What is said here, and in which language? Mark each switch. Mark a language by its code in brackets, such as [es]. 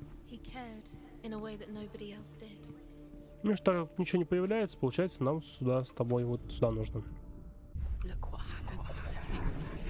[en] He cared in a way that nobody else did. [ru] Ну что, ничего не появляется, получается, нам сюда с тобой вот сюда нужно. [en] Look what happens to the things.